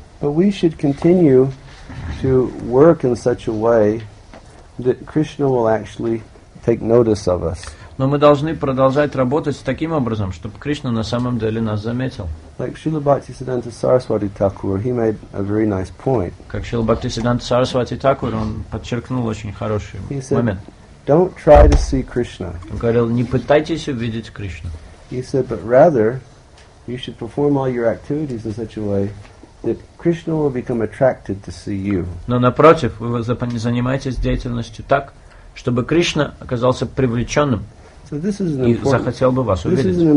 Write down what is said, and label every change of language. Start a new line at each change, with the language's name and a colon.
English: But we should continue to work in such a way that Krishna will actually take notice of us.
Russian: Но мы должны продолжать работать таким образом, чтобы Кришна на самом деле нас заметил.
English: Like Srila Bhaktisiddhanta Saraswati Thakur, he made a very nice point.
Russian: Как Srila Bhaktisiddhanta Saraswati Thakur, он подчеркнул очень хороший момент.
English: Don't try to see Krishna.
Russian: Он говорил, не пытайтесь увидеть Кришну.
English: He said, but rather, you should perform all your activities in such a way that Krishna will become attracted to see you.
Russian: Но напротив, вы занимаетесь деятельностью так, чтобы Кришна оказался привлеченным и захотел бы вас увидеть.